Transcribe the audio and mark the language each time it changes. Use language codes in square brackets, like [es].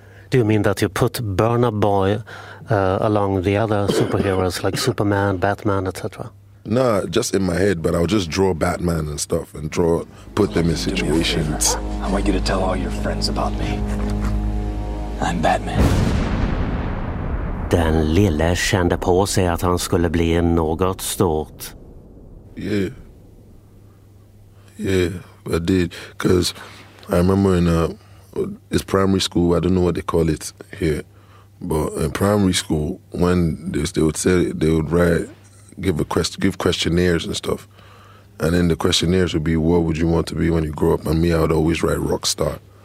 [en] Do you mean that you put Burna Boy along the other superheroes like Superman, Batman, etc.? Nah, just in my head, but I'll just draw Batman and stuff and draw, put them in situations. I want you to tell all your friends about me. I'm Batman. [sv] Den lille kände på sig att han skulle bli något stort. [en] Yeah. Yeah, I did. Because I remember in it's primary school, I don't know what they call it here. But in primary school, when they would say, they would write, give questionnaires and stuff. And then the questionnaires would be, what would you want to be when you grow up? And me, I would always write rock star.